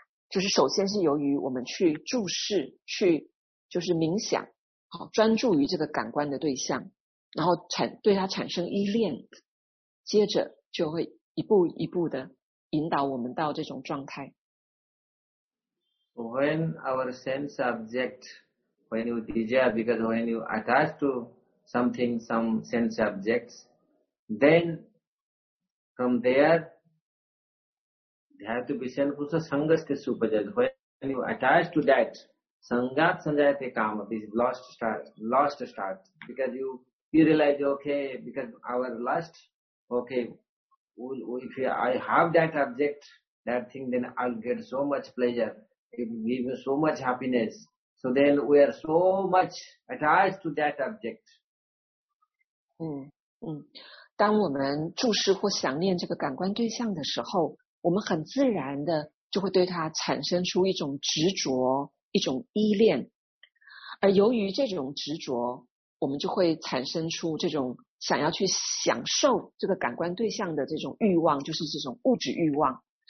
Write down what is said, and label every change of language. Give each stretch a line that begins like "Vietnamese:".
Chinese: 就是首先是由于我们去注视去就是冥想，好，专注于这个感官的对象，然后对它产生依恋，接着就会一步一步的引导我们到这种状态。
English: When our sense object, when you desire, because when you attach to something, some sense objects, then from there, there to be
Sanskrit: sankusa sangasthi supajal.
English: When you attach to that,
Sanskrit: sangat sanjayate kama,
English: this lust starts, because you realize, okay, because our lust, okay, if I have that object, that thing, then I'll get so much pleasure. It gives so much happiness. So then we are so much attached to that object.
Chinese: 当我们注视或想念这个感官对象的时候，我们很自然的就会对它产生出一种执着，一种依恋。而由于这种执着，我们就会产生出这种想要去享受这个感官对象的这种欲望，就是这种物质欲望。